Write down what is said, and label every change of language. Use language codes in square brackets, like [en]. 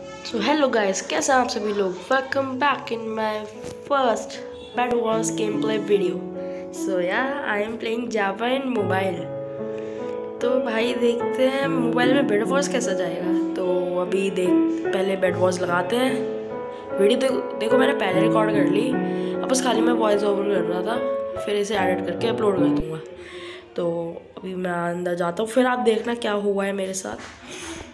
[en] So hello guys, [hi] कैसे आप सभी लोग? [en] Welcome back in my first Bedwars gameplay video. So yeah, I am playing Java in mobile. [hi] तो भाई देखते हैं मोबाइल में Bedwars कैसा जाएगा. तो अभी देख पहले Bedwars लगाते हैं. वीडियो देखो मैंने पहले रिकॉर्ड कर ली, अब बस खाली मैं वॉइस ओवर कर रहा था, फिर इसे एडिट करके अपलोड कर दूँगा. तो अभी मैं अंदर जाता हूँ, फिर आप देखना क्या हुआ है मेरे साथ.